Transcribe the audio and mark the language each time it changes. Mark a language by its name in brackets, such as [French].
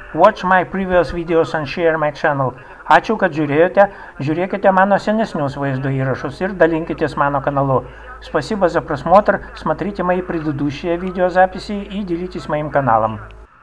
[English] Watch my previous videos and share my channel. [Lithuanian] Ačiū, kad žiūrėjote. Žiūrėkite mano senesnius vaizdo įrašus ir dalinkitės mano kanalu. [Russian] Спасибо за просмотр. Смотрите мои предыдущие видеозаписи и делитесь моим каналом.